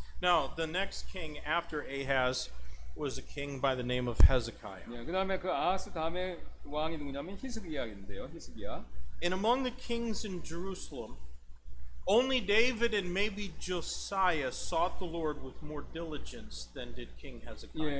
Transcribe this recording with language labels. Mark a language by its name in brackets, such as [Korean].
[English] Now the next king after Ahaz was a king by the name of Hezekiah. [Korean] 예, 그다음에 그 아하스 다음에 왕이 누구냐면 히스기야인데요. 히스기야. [English] And among the kings in Jerusalem, only David and maybe Josiah sought the Lord with more diligence than did King Hezekiah.